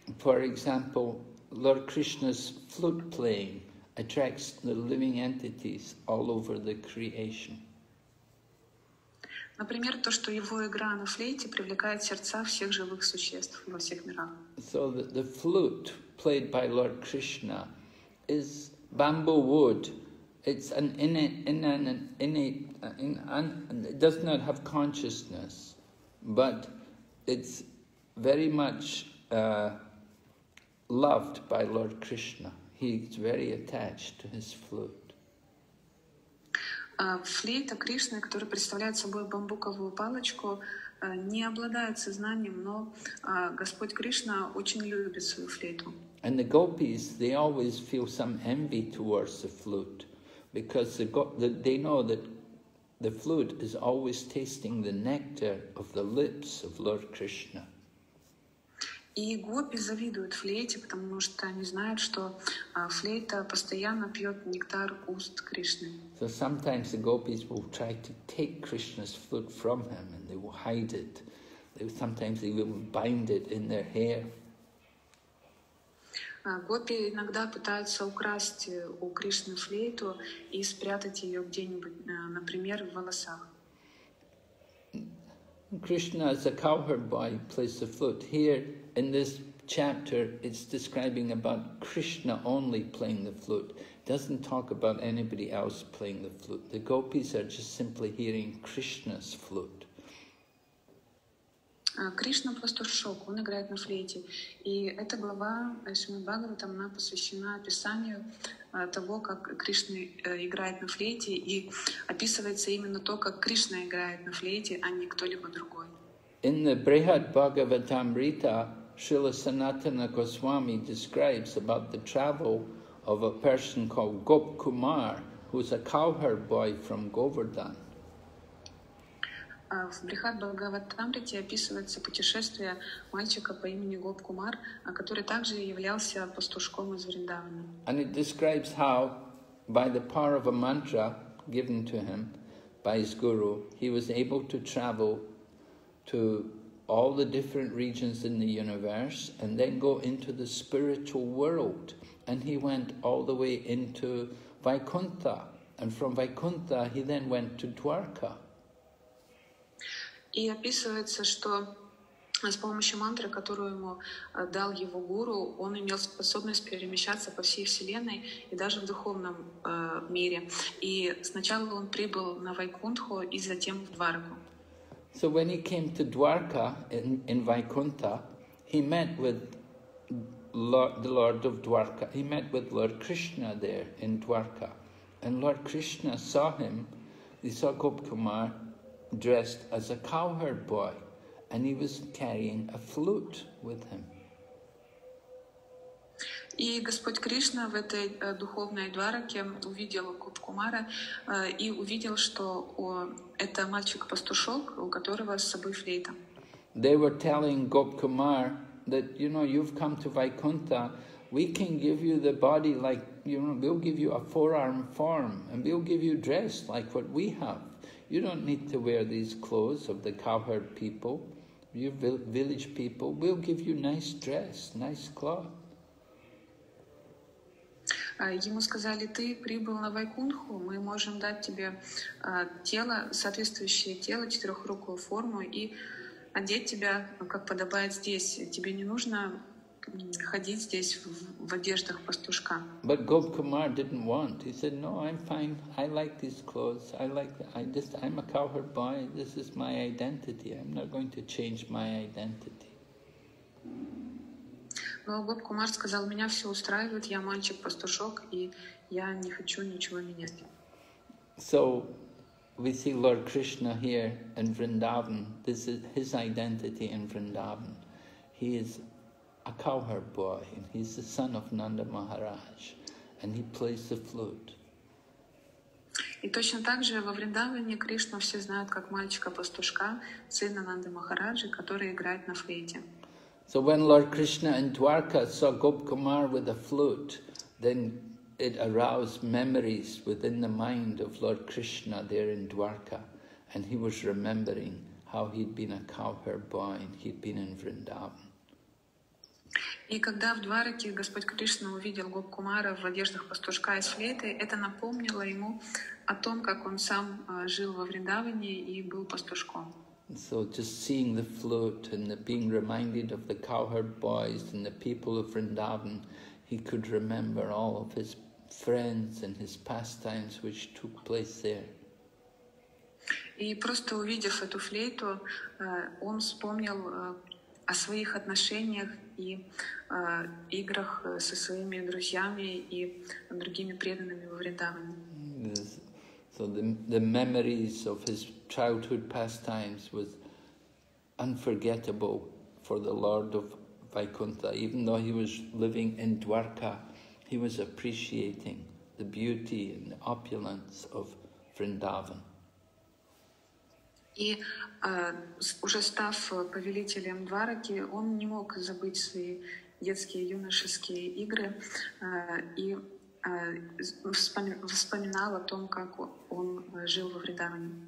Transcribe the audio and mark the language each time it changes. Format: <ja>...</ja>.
<en>For example, Lord Krishna's flute playing attracts the living entities all over the creation.</en> <ru>Например, то, что его игра на флейте привлекает сердца всех живых существ во всех мирах.</ru> <en>So the flute played by Lord Krishna is bamboo wood. It's an innate, it does not have consciousness, but it's very much loved by Lord Krishna. He's very attached to his flute.</en> <ru>Флейта Кришны, который представляет собой бамбуковую палочку, не обладает сознанием, но Господь Кришна очень любит свою флейту.</ru> <en>And the gopis, they always feel some envy towards the flute, because they know that the flute is always tasting the nectar of the lips of Lord Krishna.</en> <ru>И гопи завидуют флейте, потому что они знают, что флейта постоянно пьет нектар уст Кришны.</ru> <en>So sometimes the gopis will try to take Krishna's flute from him, and they will hide it. Sometimes they will bind it in their hair.</en> <ru>Гопи иногда пытаются украсть у Кришны флейту и спрятать ее где-нибудь, например, в волосах.</ru> <en>Krishna, as a cowherd boy, plays the flute. Here, in this chapter, it's describing about Krishna only playing the flute. It doesn't talk about anybody else playing the flute. The gopis are just simply hearing Krishna's flute.</en> <ru>Кришна просто шок, он играет на флейте. И эта глава Шримад-Бхагаватам, она посвящена описанию того, как Кришна играет на флейте, и описывается именно то, как Кришна играет на флейте, а не кто-либо другой.</ru> <en>In the Brihad-Bhagavatamrita, Srila Sanatana Goswami describes about the travel of a person called Gop Kumar, who's a cowherd boy from Govardhan.</en> <ru>В Брихад-Бхагаватамрите описывается путешествие мальчика по имени Гоп Кумар, который также являлся пастушком из Вриндавана.</ru> <en>And it describes how, by the power of a mantra given to him by his guru, he was able to travel to all the different regions in the universe and then go into the spiritual world. And he went all the way into Vaikuntha. And from Vaikuntha, he then went to Dwarka.</en> <ru>И описывается, что с помощью мантры, которую ему дал его гуру, он имел способность перемещаться по всей Вселенной и даже в духовном мире. И сначала он прибыл на Вайкунтху и затем в Дварку.</ru> <en>So when he came to Dwarka in Vaikuntha, he met with the Lord of Dwarka. He met with Lord Krishna there in Dwarka. And Lord Krishna saw him, he saw Gop Kumar, dressed as a cowherd boy, and he was carrying a flute with him.</en> <ru>И Господь Кришна в этой духовной Двараке увидел Гоп Кумара и увидел, что это мальчик-пастушок, у которого с собой флейта.</ru> <en>They were telling Gop Kumar that, you know, you've come to Vaikuntha, we can give you the body like, you know, we'll give you a forearm form, and we'll give you dress like what we have. You don't need to wear these clothes of the cowherd people, you village people. We'll give you nice dress, nice cloth.</en> <ru>Ему сказали, ты прибыл на Вайкунху, мы можем дать тебе тело, соответствующее тело, четырехрукую форму, и одеть тебя, как подобает здесь. Тебе не нужно ходить здесь в одеждах пастушка.</ru> <en>But Gop Kumar didn't want. He said, no, I'm fine. I like these clothes. I'm a cowherd boy. This is my identity. I'm not going to change my identity.</en> <ru>Но Gop Kumar сказал, меня все устраивает. Я мальчик-пастушок, и я не хочу ничего менять.</ru> <en>So we see Lord Krishna here in Vrindavan. This is his identity in Vrindavan. He is a cowherd boy, and he's the son of Nanda Maharaj, and he plays the flute.</en> <ru>И точно так же во Вриндаване Кришну все знают как мальчика-пастушка, сына Нанды Махараджи, который играет на флейте.</ru> <en>So when Lord Krishna in Dwarka saw Gop Kumar with a flute, then it aroused memories within the mind of Lord Krishna there in Dwarka, and he was remembering how he'd been a cowherd boy and he'd been in Vrindavan.</en> <ru>И когда в Двараке Господь Кришна увидел Гоп Кумара в одеждах пастушка и с флейтой, это напомнило ему о том, как он сам жил во Вриндаване и был пастушком.</ru> <en>So just seeing the flute and the being reminded of the cowherd boys and the people of Vrindavan, he could remember all of his friends and his pastimes which took place there.</en> <ru>И просто увидев эту флейту, он вспомнил о своих отношениях и играх со своими друзьями и другими преданными во Вриндаване.</ru> <en>So the memories of his childhood pastimes was unforgettable for the Lord of Vaikuntha. Even though he was living in Dwarka, he was appreciating the beauty and the opulence of Vrindavan.</en> <ru>И уже став повелителем Двараки, он не мог забыть свои детские, юношеские игры и вспоминал о том, как он жил во Вриндаване.</ru>